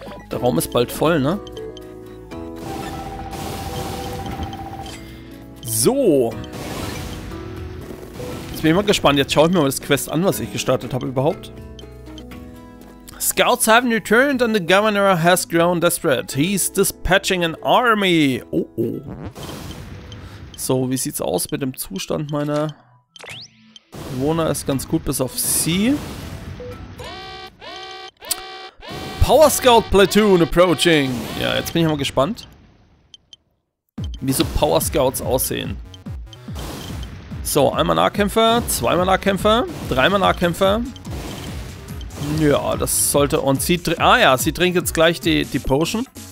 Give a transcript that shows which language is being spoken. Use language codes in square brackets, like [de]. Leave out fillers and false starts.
[de] Der Raum ist bald voll, ne? So. Jetzt bin ich mal gespannt. Jetzt schaue ich mir mal das Quest an, was ich gestartet habe überhaupt. [en] Scouts have returned and the governor has grown desperate. He's dispatching an army. Oh, oh. [de] So, wie sieht's aus mit dem Zustand meiner Bewohner? Ist ganz gut, bis auf sie. [en] Power Scout Platoon approaching. [de] Ja, jetzt bin ich mal gespannt. Wie so Power Scouts aussehen. So, einmal Nahkämpfer, zweimal Nahkämpfer, dreimal Nahkämpfer. Ja, das sollte. Und sie. Ah ja, sie trinkt jetzt gleich die Potion.